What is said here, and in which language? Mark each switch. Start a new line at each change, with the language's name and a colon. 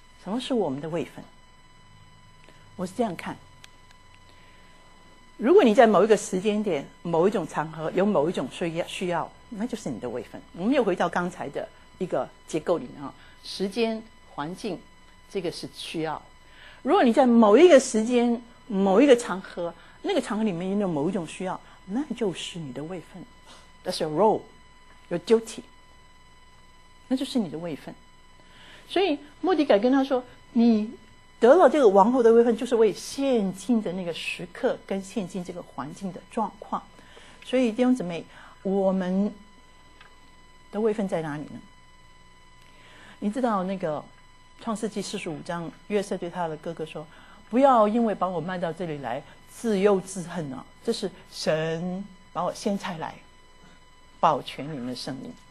Chinese: 什么是我们的位分？我是这样看，如果你在某一个时间点某一种场合有某一种需要，那就是你的位分。我们又回到刚才的一个结构里面，时间环境这个是需要，如果你在某一个时间某一个场合，那个场合里面有某一种需要，那就是你的位分。
English: That's your role, your duty,
Chinese: 那就是你的位分。所以莫迪改跟他说，你得了这个王后的位分就是为现今的那个时刻跟现今这个环境的状况。所以弟兄姊妹，我们的位分在哪里呢？你知道那个创世纪四十五章约瑟对他的哥哥说，不要因为把我卖到这里来自忧自恨啊，这是神把我先差来保全你们的生命。